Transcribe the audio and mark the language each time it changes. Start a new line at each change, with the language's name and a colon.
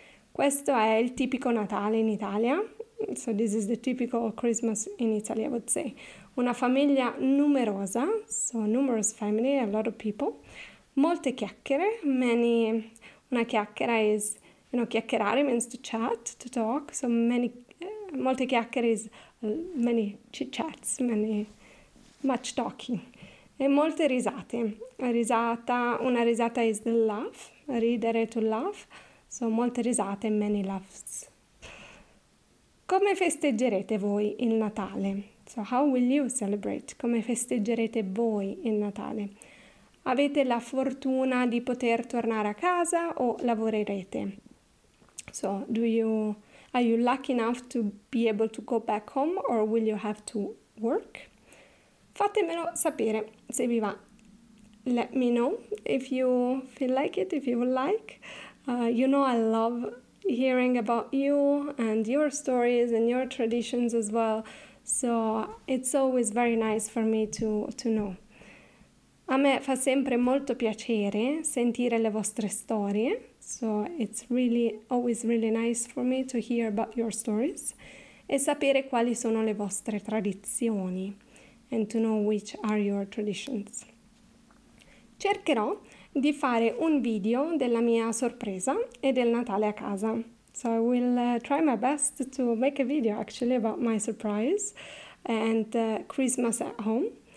Italian: Questo è il tipico Natale in Italia.
English: So this is the typical Christmas in Italy, I would say.
Italian: Una famiglia numerosa,
English: so numerous family, a lot of people.
Italian: Molte chiacchiere,
English: many.
Italian: Una chiacchiera
English: is, you know, chiacchierare means to chat, to talk. So many,
Italian: molte chiacchiere
English: is many chit-chats, many much talking.
Italian: E molte risate. Una risata
English: is the laugh,
Italian: ridere
English: to laugh. So
Italian: molte risate,
English: many laughs.
Italian: Come festeggerete voi il Natale?
English: So how will you celebrate?
Italian: Come festeggerete voi il Natale? Avete la fortuna di poter tornare a casa o lavorerete?
English: So, are you lucky enough to be able to go back home or will you have to work?
Italian: Fatemelo sapere se vi va.
English: Let me know if you feel like it, if you would like. You know I love hearing about you and your stories and your traditions as well. So it's always very nice for me to know.
Italian: A me fa sempre molto piacere sentire le vostre storie,
English: so it's really always really nice for me to hear about your stories
Italian: e sapere quali sono le vostre tradizioni
English: and to know which are your traditions.
Italian: Cercherò di fare un video della mia sorpresa e del Natale a casa.
English: So I will try my best to make a video actually about my surprise and Christmas at home.